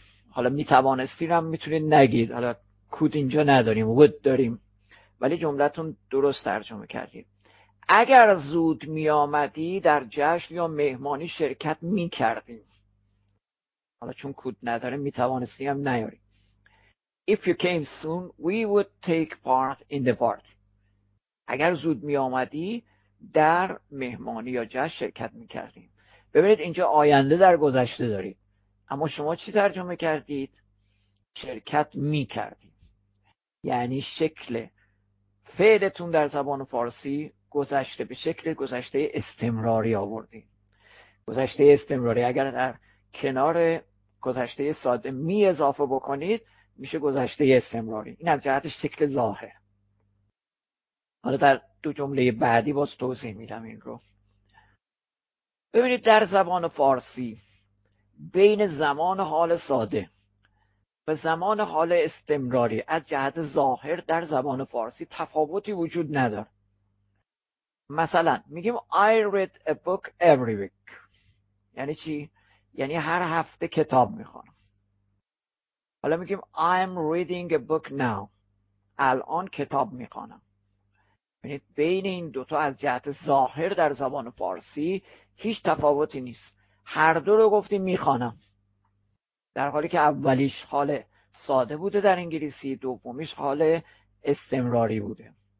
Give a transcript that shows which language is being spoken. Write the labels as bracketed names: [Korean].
[Persian] حالا میتوانستیم هم میتونید نگید، حالا کود اینجا نداریم، وود داریم، ولی جملتون درست ترجمه کردید. اگر زود میامدی در جشن یا مهمانی شرکت میکردیم، حالا چون کود نداره میتوانستیم هم نیاریم. [English] If you came soon we would take part in the party. [Persian] اگر زود میامدی در مهمانی یا جشن شرکت میکردیم. ببینید اینجا آینده در گذشته داریم، اما شما چی ترجمه کردید؟ شرکت می کردید. یعنی شکل فعلتون در زبان فارسی گذشته به شکل گذشته استمراری آوردیم. گذشته استمراری اگر در کنار گذشته ساده می اضافه بکنید میشه گذشته استمراری. این از جهت شکل ظاهر. حالا در دو جمله بعدی باز توضیح میدم این رو. ببینید در زبان فارسی بین زمان حال ساده و زمان حال استمراری از جهت ظاهر در زبان فارسی تفاوتی وجود ندارد. مثلا میگیم [English] I read a book every week. [Persian] یعنی چی؟ یعنی هر هفته کتاب میخونم. حالا میگیم [English] I'm reading a book now. [Persian] الان کتاب میخونم. ببینید بین این دوتا از جهت ظاهر در زبان فارسی هیچ تفاوتی نیست. هر دو رو گفتیم میخونم. در حالی که اولیش حال ساده بوده در انگلیسی، دومیش حال استمراری بوده.